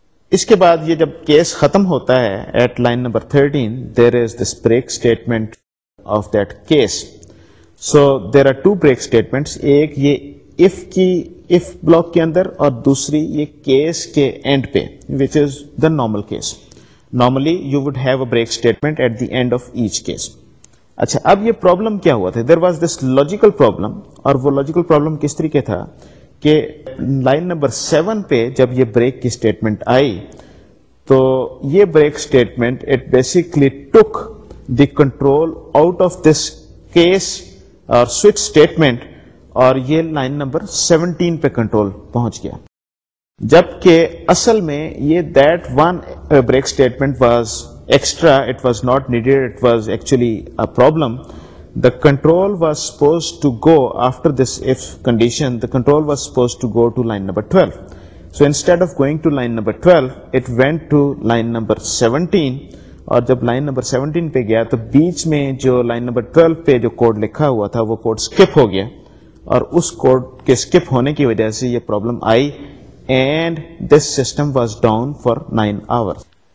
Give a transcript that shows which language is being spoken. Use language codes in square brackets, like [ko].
[ur] Iske baad ye jab case khatam hota hai [en] at line number 13, there is this break statement of that case. So there are two break statements, [ur] ek ye if ki if block ke andar aur dusri ye case ke end pe, [en] which is the normal case. Normally, you would have a break statement at the end of each case. [ur] اچھا, اب یہ problem کیا ہوا تھا. [en] there was this logical problem, [ur] اور وہ logical problem کس طریقے تھا کہ لائن نمبر 7 پہ جب یہ بریک کی اسٹیٹمنٹ آئی تو یہ break statement [en] it basically took the control out of this case اور switch statement, [ur] اور یہ لائن نمبر 17 پہ کنٹرول پہنچ گیا. جبکہ اصل میں یہ [en] That one break statement was extra, it was not needed, it was actually a problem. The control was suppose to go after this if condition, the control was suppose to go to line number 12. So instead of going to line number 12, it went to line number 17, [ur] اور جب line number 17 پہ گیا تو بیچ میں جو line number 12 پہ جو code لکھا ہوا تھا وہ کوڈ اسکپ ہو گیا, اور اس کوڈ کے اسکپ ہونے کی وجہ سے یہ problem I. [en] And this system was down for 9 hours.